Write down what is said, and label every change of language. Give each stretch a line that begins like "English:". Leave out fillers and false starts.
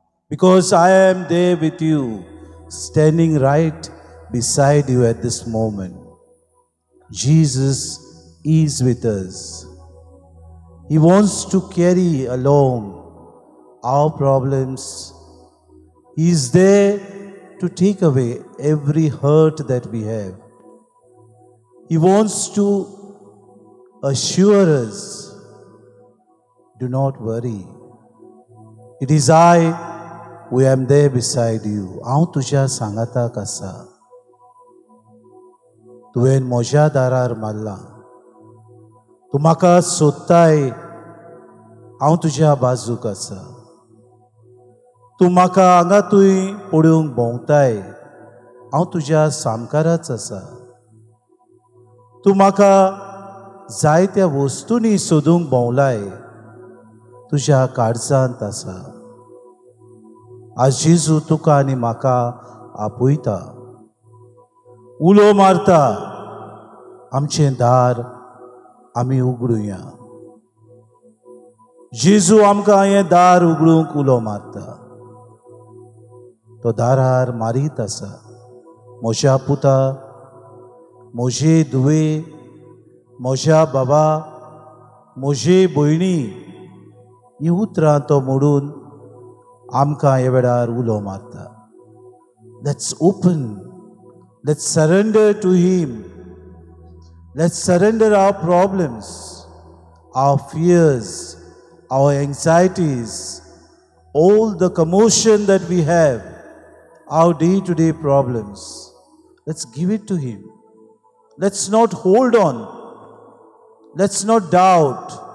English: Because I am there with you standing right beside you at this moment. Jesus is with us. He wants to carry along our problems. He is there to take away every hurt that we have. He wants to assure us, do not worry. It is I who am there beside you.
Goan Konkani: Aav tujha sangata kasa. तुवें म्हज्या दारार मारला, तूं म्हाका सोदताय, हांव तुज्या बाजूक आसा. तूं म्हाका हांगातूय पळोवंक भोंवताय, हांव तुज्या सामकाराच आसा. तूं म्हाका जायत्या वस्तूंनी सोदूंक भोंवलाय, तुज्या काळजांत आसा. आज जेजू तुका आनी म्हाका आपयता, उलो मारता, आमचें दार आमी उगडूया. जेजू आमकां हें दार उगडूंक उलो मारता. तो दारार मारीत आसा. म्हज्या पुता, म्हजे धुवे, म्हज्या बाबा, म्हजे भयणी, हीं उतरां तो मोडून आमकां ह्या वेळार उलो मारता.
English: Let's open, let's surrender to him. Let's surrender our problems, our fears, our anxieties, all the commotion that we have, our day-to-day problems. Let's give it to Him. Let's not hold on. Let's not doubt.